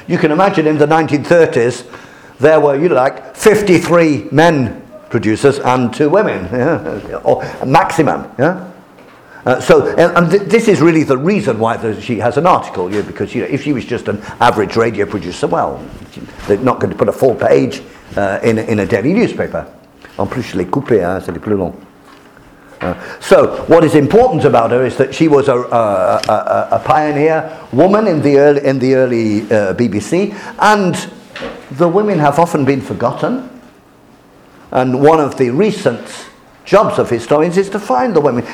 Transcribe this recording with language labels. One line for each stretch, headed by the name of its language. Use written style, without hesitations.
English: You can imagine in the 1930s, there were, 53 men producers and two women, yeah, or maximum, yeah. This is really the reason why she has an article, yeah, because, if she was just an average radio producer, well, they're not going to put a full page in a daily newspaper.
French: En plus, les coupés, hein, c'est les plus longs.
English: So, what is important about her is that she was a pioneer woman in the early BBC, and the women have often been forgotten. And one of the recent jobs of historians is to find the women.